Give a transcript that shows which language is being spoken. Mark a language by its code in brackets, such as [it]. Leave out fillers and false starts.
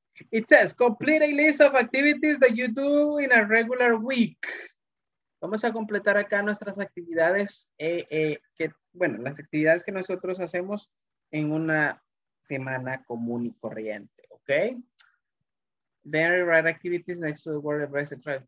[en] It says, complete a list of activities that you do in a regular week. [es] Vamos a completar acá nuestras actividades, las actividades que nosotros hacemos en una semana común y corriente, okay? [en] Then we write activities next to the word address and try.